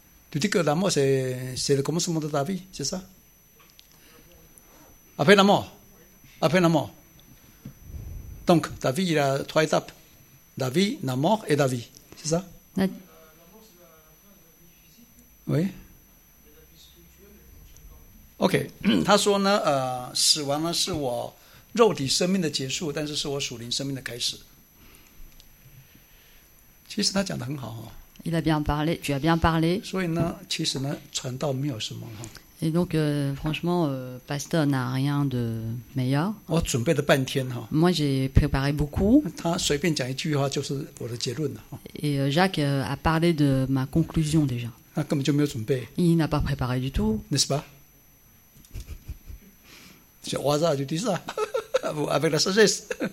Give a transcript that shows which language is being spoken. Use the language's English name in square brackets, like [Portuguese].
[French] Tu dis que la mort, c'est le commencement de ta vie, c'est ça? Après la mort. Après la mort. Donc, ta vie, il y a trois étapes. La vie, la mort et la vie, c'est ça? La mort, c'est la fin de la vie physique. Oui. [Chinese] OK, 他说呢，死亡呢是我肉体生命的结束，但是是我属灵生命的开始。其实他讲得很好哦。 [French] Il a bien parlé, tu as bien parlé. [Chinese] 所以呢，其实呢，传道没有什么哈。 [French] Et donc, franchement, pasteur n'a rien de meilleur. [Chinese] 我准备了半天哈。 [French] Moi, j'ai préparé beaucoup. [Chinese] 他随便讲一句话就是我的结论了。 [French] Et Jacques a parlé de ma conclusion déjà. [Chinese] 他根本就没有准备。 [French] Il n'a pas préparé du tout. N'est-ce pas? C'est au hasard, je dis ça, avec la sagesse.